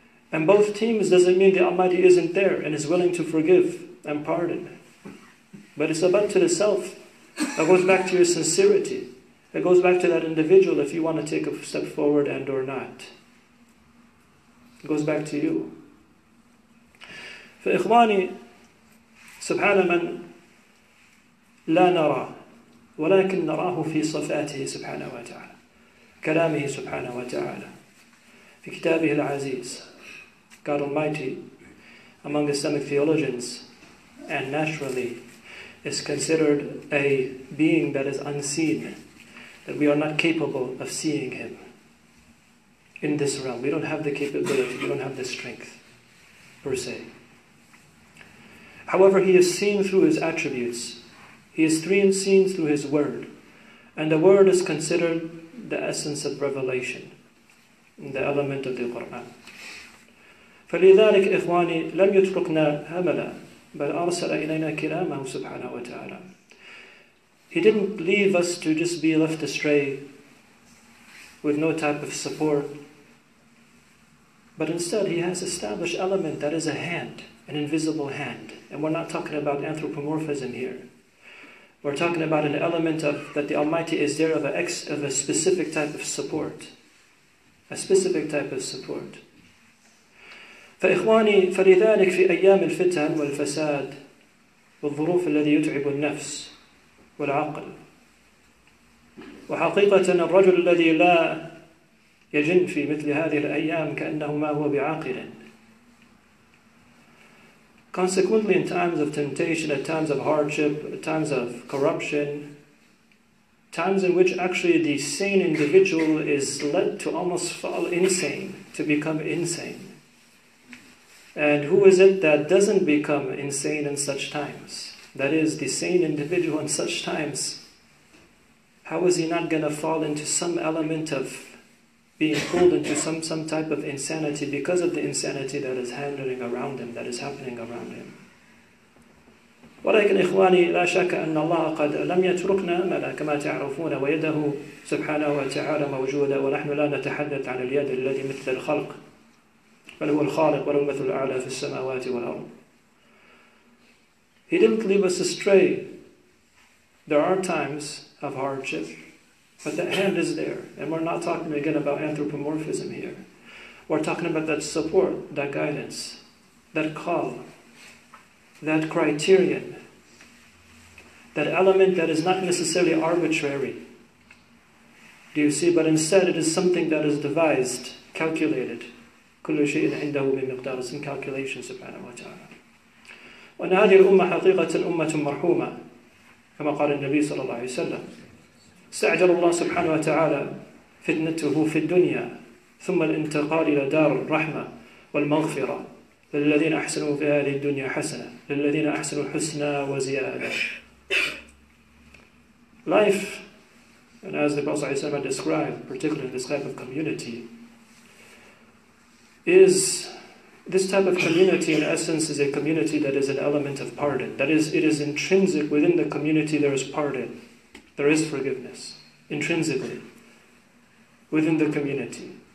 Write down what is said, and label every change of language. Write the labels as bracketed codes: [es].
[en] And both teams doesn't mean the Almighty isn't there and is willing to forgive and pardon. But it's about to the self. It goes back to your sincerity. It goes back to that individual if you want to take a step forward and or not. It goes back to you. [ar] فإخواني, سبحان من لا نرى ولكن نراه في صفاته سبحانه وتعالى, كلامه سبحانه وتعالى, في كتابه العزيز. [en] God Almighty, among Islamic theologians and naturally, is considered a being that is unseen, that we are not capable of seeing Him in this realm. We don't have the capability, we don't have the strength per se. However, He is seen through His attributes. He is transcendent through His Word, and the Word is considered the essence of revelation, the element of the Quran. [ar] فلذلك إخواني لم يتركنا هملا بل أرسل إلينا كلامه سبحانه وتعالى. [en] He didn't leave us to just be left astray with no type of support. But instead, He has established element that is a hand, an invisible hand. And we're not talking about anthropomorphism here. We're talking about an element of that the Almighty is there of a specific type of support. A specific type of support. [ar] فإخواني فلذلك في أيام الفتن والفساد والظروف الذي يتعب النفس والعقل وحقيقة الرجل الذي لا يجن في مثل هذه الأيام كأنه ما هو بعاقل. [en] Consequently, in times of temptation, at times of hardship, at times of corruption, times in which actually the sane individual is led to almost fall insane, to become insane. And who is it that doesn't become insane in such times? That is, the sane individual in such times, how is he not going to fall into some element of being pulled into some type of insanity because of the insanity that is happening around him, that is happening around him? [ar] ولكن إخواني لا شك أن الله قد لم يتركنا أملا كما تعرفون ويده سبحانه وتعالى موجودة ونحن لا نتحدث عن اليد الذي مثل الخلق بل هو الخالق وله المثل الأعلى في السماوات والأرض. [en] He didn't leave us astray. There are times of hardship, but that hand is there. And we're not talking again about anthropomorphism here. We're talking about that support, that guidance, that call, that criterion, that element that is not necessarily arbitrary. Do you see? But instead it is something that is devised, calculated. [ar] كل شيء عنده بمقدار [en] some calculations [ar] سبحانه وتعالى. وأن هذه الأمة حقيقة أمة مرحومة كما قال النبي صلى الله عليه وسلم. استعجل الله سبحانه وتعالى فتنته في الدنيا ثم الانتقال إلى دار الرحمة والمغفرة للذين أحسنوا في هذه الدنيا حسنة للذين أحسنوا الحسنى وزيادة. [en] Life, and as the Prophet [ar] صلى الله عليه وسلم [en] described, particularly this type of community, is this type of community in essence is a community that is an element of pardon. That is, it is intrinsic within the community there is pardon. There is forgiveness, intrinsically, within the community.